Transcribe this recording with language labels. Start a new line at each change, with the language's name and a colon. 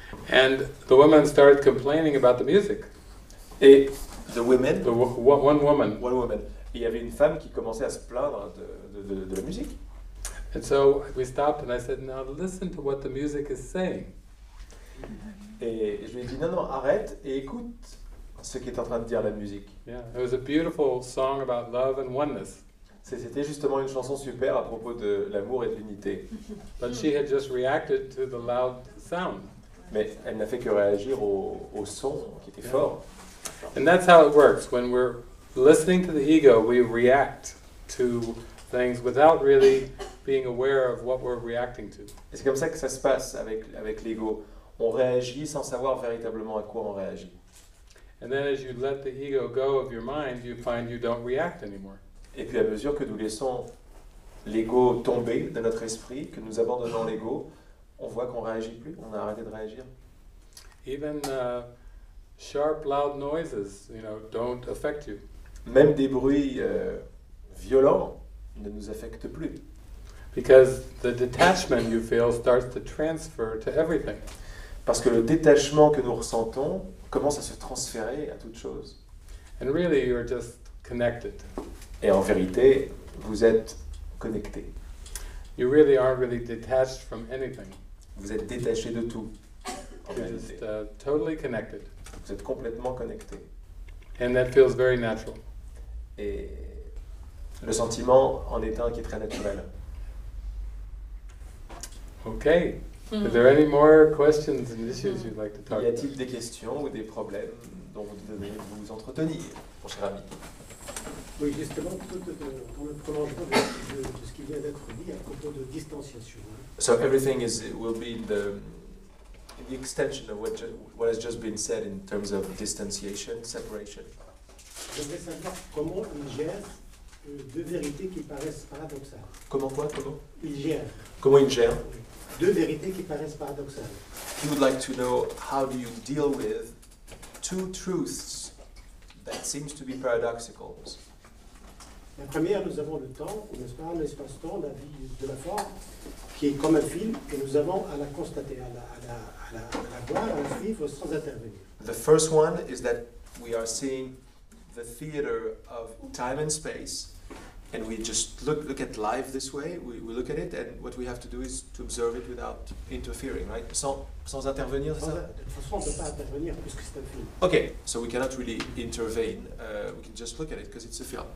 English: And the woman started complaining about the music. Et the women, one woman.
French: Et il y avait une femme qui commençait à se plaindre de la musique.
English: And so we stopped and I said, now listen to what the music is saying.
French: Et je lui ai dit, non, arrête et écoute ce qui est en train de dire la musique.
English: Yeah, it was a beautiful song about love and oneness.
French: C'était justement une chanson super à propos de l'amour et de l'unité.
English: But she had just reacted to the loud sound.
French: Mais elle n'a fait que réagir au son qui était fort.
English: And that's how it works. When we're listening to the ego, we react to things without really being aware of what we're reacting to.
French: Et c'est comme ça que ça se passe avec l'ego. on réagit sans savoir véritablement à quoi on réagit.
English: And then as you let the ego go of your mind, you find you don't react anymore.
French: Et puis à mesure que nous laissons l'ego tomber de notre esprit, que nous abandonnons l'ego, on voit qu'on réagit plus, on a arrêté de réagir.
English: Even sharp loud noises, you know, don't affect you.
French: Même des bruits violents ne nous affectent plus.
English: Because the detachment you feel starts to transfer to everything.
French: Parce que le détachement que nous ressentons commence à se transférer à toute chose.
English: And really you are just connected.
French: Et en vérité, vous êtes connecté.
English: You really aren't really detached from anything.
French: Vous êtes détaché de tout.
English: Totally connected.
French: Vous êtes complètement connecté.
English: And that feels very natural.
French: Et le sentiment en est un qui est très naturel.
English: Okay. Mm-hmm. Are there any more questions and issues mm-hmm. you'd like to talk about?
French: Y a-t-il des questions ou des problèmes dont vous devez vous entretenir, mon cher ami? Oui, justement, pour le prolongement de ce qui vient d'être dit à propos de distanciation.
English: So everything will be the extension of what has just been said in terms of distanciation, separation.
French: Je voudrais savoir comment il gère deux vérités qui paraissent paradoxales. Comment il gère. Comment il gère. Deux vérités qui paraissent paradoxales.
English: He would like to know how do you deal with two truths that seems to be paradoxical.
French: La première, nous avons le temps, n'est-ce pas, l'espace-temps, la vie de la forme, qui est comme un film, et nous avons à la constater, à la voir, à la suivre sans intervenir.
English: The first one is that we are seeing the theater of time and space. And we just look at life this way, we look at it, and what we have to do is to observe it without interfering, right?
French: Sans intervenir, c'est ça? De toute façon, on ne peut pas intervenir puisque c'est un film.
English: Okay, so we cannot really intervene, we can just look at it because it's a film.